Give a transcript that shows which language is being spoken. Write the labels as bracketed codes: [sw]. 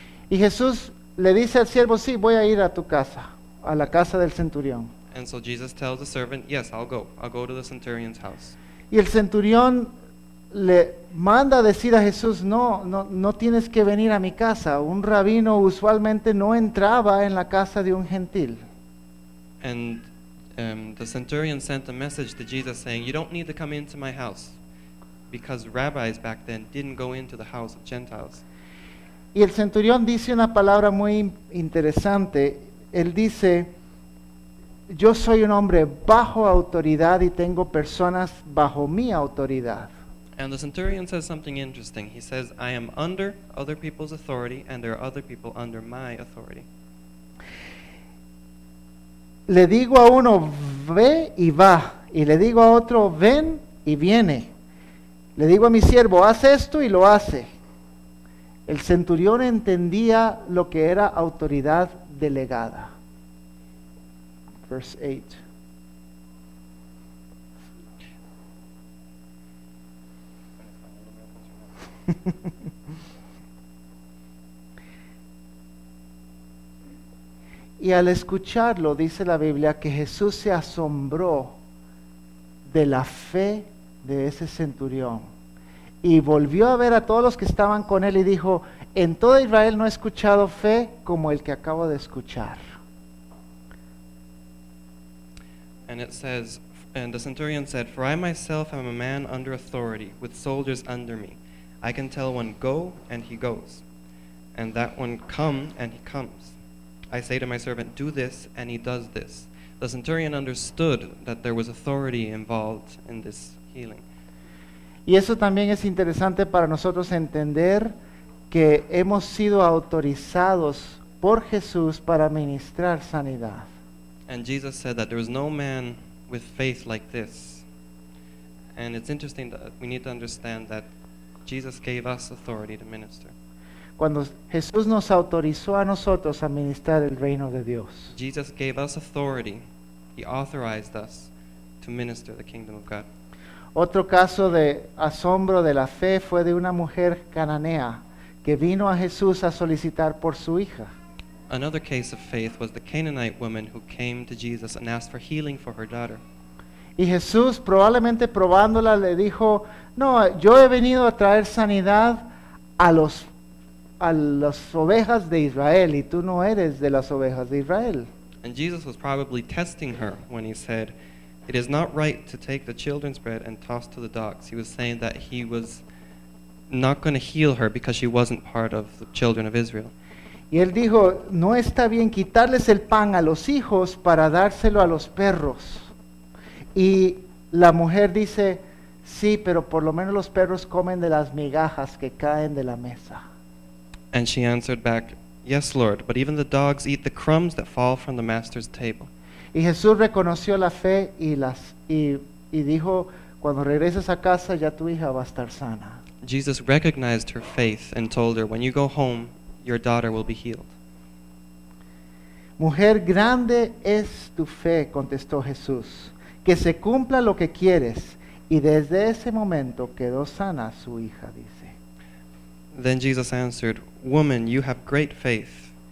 [es] Y Jesús le dice al siervo, sí, voy a ir a tu casa. A la casa del centurión. [en] And so Jesus tells the servant, yes, I'll go to the centurion's house. [es] Y el centurión le manda decir a Jesús, no tienes que venir a mi casa. Un rabino usualmente no entraba en la casa de un gentil. [en] And the centurion sent a message to Jesus saying, you don't need to come into my house. Because rabbis back then didn't go into the house of Gentiles. [es] Y el centurión dice una palabra muy interesante. Él dice, yo soy un hombre bajo autoridad y tengo personas bajo mi autoridad. [en] And the centurion says something interesting. He says, I am under other people's authority and there are other people under my authority. [es] Le digo a uno, ve y va. Y le digo a otro, ven y viene. Le digo a mi siervo, haz esto y lo hace. El centurión entendía lo que era autoridad delegada. [en] Verse 8. [es] Y al escucharlo, dice la Biblia, que Jesús se asombró de la fe de ese centurión. Y volvió a ver a todos los que estaban con él y dijo, en todo Israel no he escuchado fe como el que acabo de escuchar. [en] And it says, and the centurion said, for I myself am a man under authority, with soldiers under me. I can tell one go, and he goes. And that one come, and he comes. I say to my servant, do this, and he does this. The centurion understood that there was authority involved in this healing. [es] Y eso también es interesante para nosotros entender que hemos sido autorizados por Jesús para ministrar sanidad. [en] And Jesus said that there was no man with faith like this. And it's interesting that we need to understand that Jesus gave us authority to minister. [es] Cuando Jesús nos autorizó a nosotros a ministrar el reino de Dios. [en] Jesus gave us authority. He authorized us to minister the kingdom of God. [es] Otro caso de asombro de la fe fue de una mujer cananea que vino a Jesús a solicitar por su hija. [en] Another case of faith was the Canaanite woman who came to Jesus and asked for healing for her daughter. [es] Y Jesús, probablemente probándola, le dijo, no, yo he venido a traer sanidad a las ovejas de Israel, y tú no eres de las ovejas de Israel. [en] And Jesus was probably testing her when he said, it is not right to take the children's bread and toss to the dogs. He was saying that he was not going to heal her because she wasn't part of the children of Israel. [es] Y él dijo, no está bien quitarles el pan a los hijos para dárselo a los perros. Y la mujer dice, sí, pero por lo menos los perros comen de las migajas que caen de la mesa. [en] And she answered back, yes, Lord, but even the dogs eat the crumbs that fall from the master's table. [es] Y Jesús reconoció la fe y dijo, cuando regreses a casa, ya tu hija va a estar sana. [en] Jesus recognized her faith and told her, when you go home, your daughter will be healed. [es] Mujer, grande es tu fe, contestó Jesús. Que se cumpla lo que quieres. Y desde ese momento quedó sana su hija, dice. [en] Then Jesus answered, woman, you have great faith.